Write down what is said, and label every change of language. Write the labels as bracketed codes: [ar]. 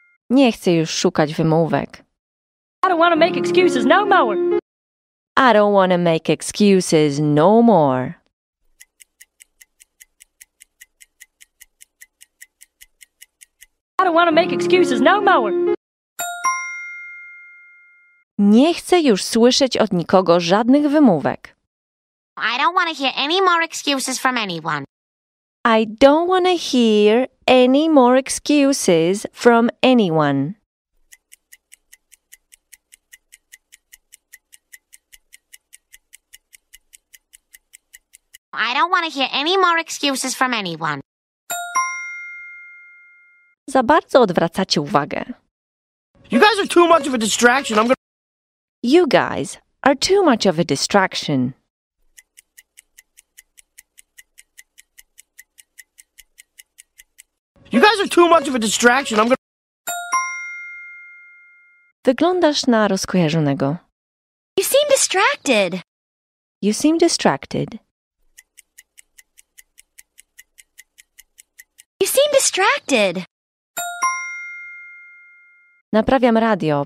[pl] Nie chcę już szukać wymówek. [en] I don't want to make excuses no more. I don't want to make excuses no more. I don't want to make excuses no more. [pl] Nie chcę już słyszeć od nikogo żadnych wymówek. [en] I don't want to hear any more excuses from anyone. I don't want to hear any more excuses from anyone. I don't want to hear any more excuses from anyone. [pl] Za bardzo odwracacie uwagę. [en] You guys are too much of a distraction. You guys are too much of a distraction. You guys are too much of a distraction. [pl] Wyglądasz na rozkojarzonego. [en] You seem distracted. You seem distracted. You seem distracted. [pl] Naprawiam radio.